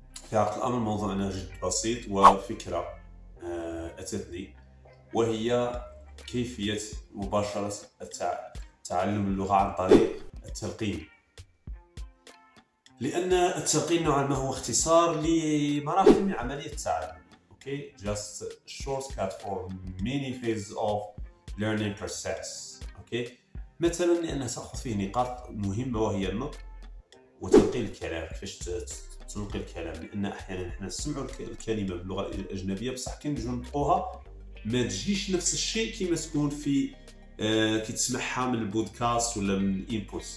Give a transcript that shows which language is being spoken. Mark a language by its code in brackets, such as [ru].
[ar] في عقل الأمر موضوعنا جد بسيط وفكرة أتتني وهي كيفية مباشرة تعلم اللغة عن طريق التلقين، لأن التلقين نوعا ما هو اختصار لمراحل من عملية التعلم. [en] Okay, just shortcut for many phases of learning process. [ar] Okay, مثلا لأن سأخذ فيه نقاط مهمة وهي النطق وتلقين الكلام، كيفاش تلقي الكلام، لأن أحيانا نحن نسمع الكلمة باللغة الأجنبية بصح كي نجي نطقوها ما تجيش نفس الشيء كيما تكون في كي تسمعها من البودكاست ولا من الانبوت.